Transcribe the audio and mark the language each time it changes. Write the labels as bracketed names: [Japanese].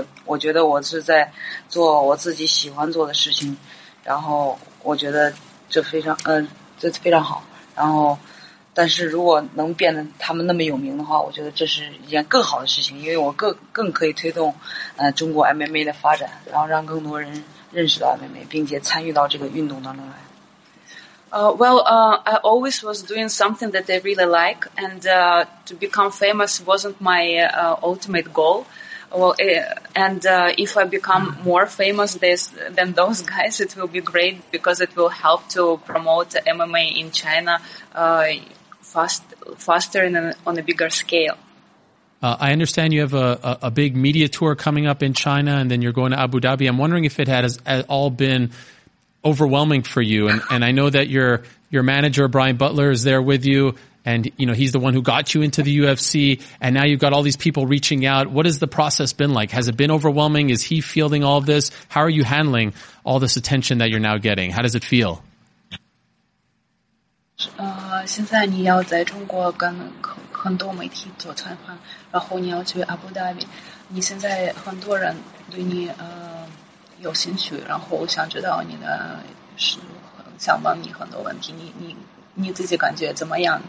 [Chinese] 我觉得我是在做我自己喜欢做的事情，然后我觉得这非常好。然后但是如果能变得他们那么有名的话，我觉得这是一件更好的事情，因为我更可以推动中国 MMA 的发展，然后让更多人认识到 MMA 并且参与到这个运动当中来。 [English] I always was doing something that I really like, and to become famous wasn't my ultimate goal. If I become more famous than those guys, it will be great because it will help to promote MMA in China faster and on a bigger scale. I understand you have a big media tour coming up in China, and then you're going to Abu Dhabi. I'm wondering if it has at all been overwhelming for you, and I know that your manager Brian Butler is there with you, and you know he's the one who got you into the UFC, and now you've got all these people reaching out. What has the process been like? Has it been overwhelming? Is he fielding all this? How are you handling all this attention that you're now getting? How does it feel? [Chinese] 现在你要在中国跟很多媒体做采访，然后你要去阿布达比，你现在很多人对你有兴趣，然后想知道你的是想问你很多问题，你自己感觉怎么样？